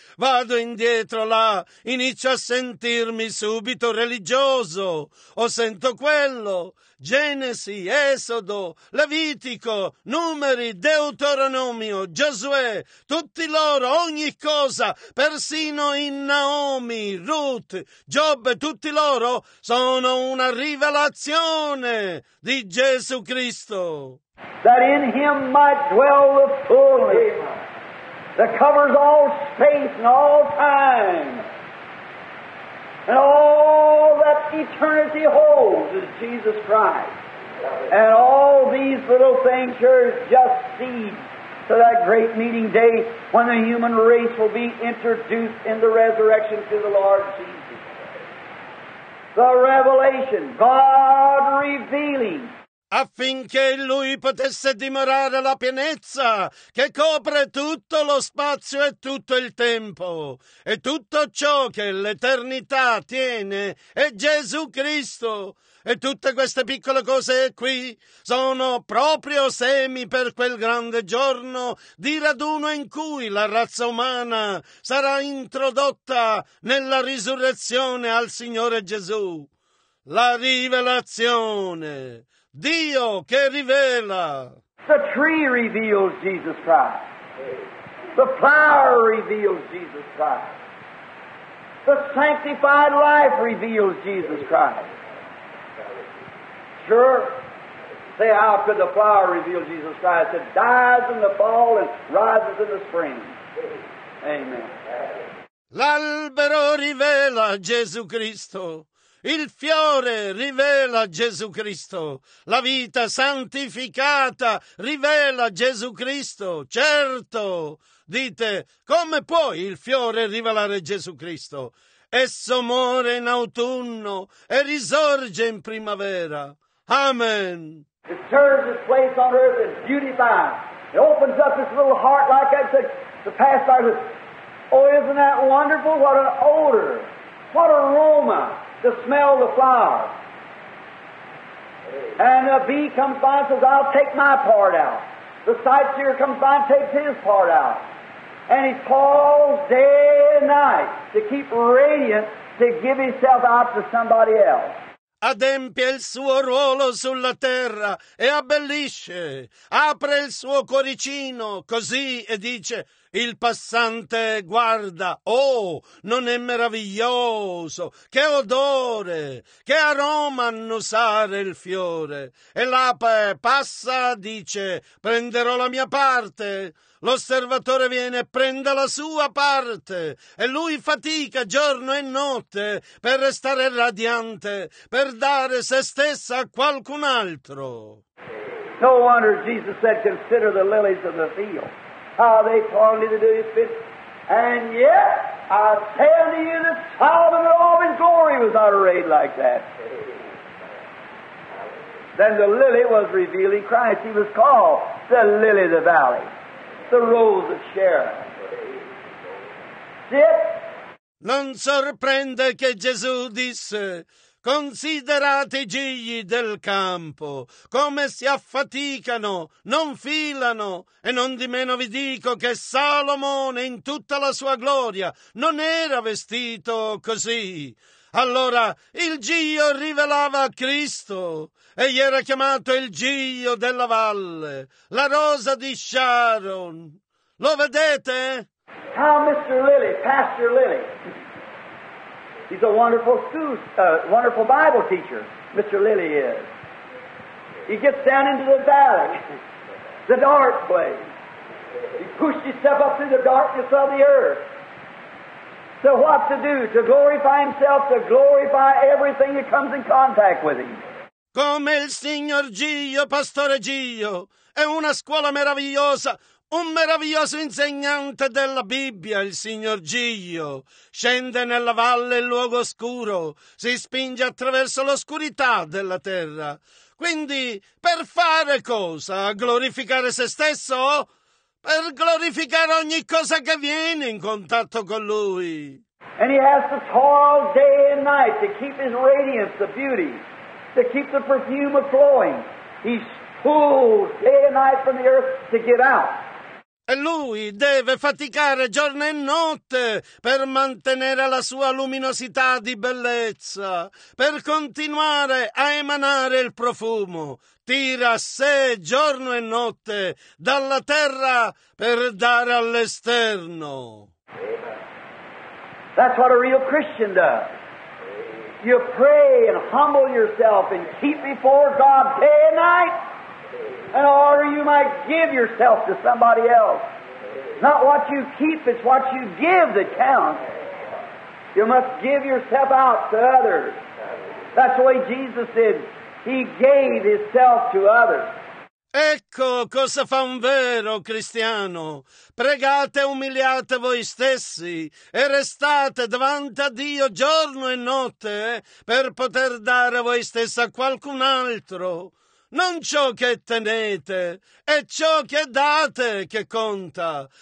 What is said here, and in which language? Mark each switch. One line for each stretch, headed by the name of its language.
Italian: Vado indietro là, inizio a sentirmi subito religioso, o sento quello, Genesi, Esodo, Levitico, Numeri, Deuteronomio, Giosuè, tutti loro, ogni cosa, persino in Naomi, Ruth, Giobbe, tutti loro sono una rivelazione di Gesù Cristo.
English: That in Him might dwell the fullness that covers all space and all time. And all that eternity holds is Jesus Christ. And all these little things are just seeds to that great meeting day when the human race will be introduced in the resurrection to the Lord Jesus. The revelation, God revealing.
Italian: Affinché lui potesse dimorare la pienezza che copre tutto lo spazio e tutto il tempo, e tutto ciò che l'eternità tiene è Gesù Cristo. E tutte queste piccole cose qui sono proprio semi per quel grande giorno di raduno in cui la razza umana sarà introdotta nella risurrezione al Signore Gesù. La rivelazione. Dio che rivela.
English: The tree reveals Jesus Christ. The flower reveals Jesus Christ. The sanctified life reveals Jesus Christ. Sure, say, how could the flower reveal Jesus Christ? It dies in the fall and rises in the spring. Amen.
Italian: L'albero rivela Gesù Cristo. Il fiore rivela Gesù Cristo, la vita santificata rivela Gesù Cristo, certo! Dite, come può il fiore rivelare Gesù Cristo? Esso muore in autunno e risorge in primavera. Amen!
English: It serves its place on earth as beautifying. It opens up its little heart like that, the past life. Oh, isn't that wonderful? What an odor! What an aroma! The smell of the flower. And a bee comes by and says, I'll take my part out. The sightseer comes by and takes his part out. And he calls day and night to keep radiant, to give himself out to somebody else.
Italian: Adempie il suo ruolo sulla terra e abbellisce, apre il suo cuoricino così e dice, il passante guarda, oh, non è meraviglioso, che odore, che aroma annusare il fiore. E l'ape passa, dice, prenderò la mia parte. L'osservatore viene e prende la sua parte e lui fatica giorno e notte per restare radiante, per dare se stessa a qualcun altro.
English: No wonder Jesus said, consider the lilies of the field, how they call to do his bidding. And yet, I tell you that Solomon in all his glory was not arrayed like that. Then the lily was revealing Christ. He was called the lily of the valley. The rose of Sharon.
Italian: Non sorprende che Gesù disse: considerate i gigli del campo, come si affaticano, non filano, e non di meno vi dico che Salomone in tutta la sua gloria non era vestito così. Allora il giglio rivelava Cristo, egli era chiamato il giglio della valle, la rosa di Sharon. Lo vedete?
English: How Mr. Lily, Pastor Lily, he's a wonderful wonderful Bible teacher, Mr. Lily is. He gets down into the valley, the dark place. He pushed himself up through the darkness of the earth. So what to do? To glorify himself, to glorify everything that comes in contact with him.
Italian: Come il signor Giglio, pastore Giglio, è una scuola meravigliosa, un meraviglioso insegnante della Bibbia, il signor Giglio. Scende nella valle, il luogo oscuro, si spinge attraverso l'oscurità della terra. Quindi, per fare cosa? Glorificare se stesso? Per glorificare ogni cosa che viene in contatto con lui.
English: And he has to toil day and night to keep his radiance, the beauty, to keep the perfume of flowing. He's pulled day and night from the earth to get out.
Italian: E lui deve faticare giorno e notte per mantenere la sua luminosità di bellezza, per continuare a emanare il profumo. Tira a sé giorno e notte dalla terra per dare all'esterno.
English: That's what a real Christian does. You pray and humble yourself and keep before God day and night. And or you might give yourself to somebody else. Not what you keep, it's what you give that counts. You must give yourself out to others. That's the way Jesus did. He gave himself to others.
Italian: Ecco cosa fa un vero cristiano. Pregate e umiliate voi stessi e restate davanti a Dio giorno e notte per poter dare voi stessi a qualcun altro. Non ciò che tenete, è ciò che date che conta.